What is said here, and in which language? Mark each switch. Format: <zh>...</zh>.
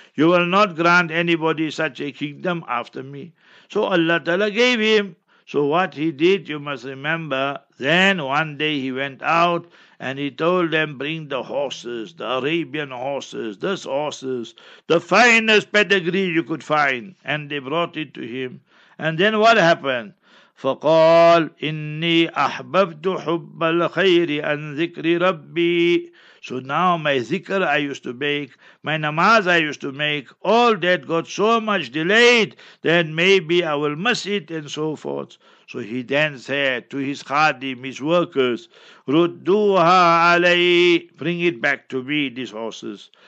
<en>You will not grant anybody such a kingdom after me. So Allah Ta'ala gave him. So what he did, you must remember, then one day he went out and he told them, bring the horses, the Arabian horses, these horses, the finest pedigree you could find. And they brought it to him. And then what happened?</en> <ar>فقال إني أحببت حب الخير أن ذكر ربي.</ar> <en>So now my zikr I used to make, my namaz I used to make, all that got so much delayed that maybe I will miss it and so forth. So he then said to his khadim, his workers,</en> <ar>ردوها علي,</ar> <en>bring it back to me, these horses.</en>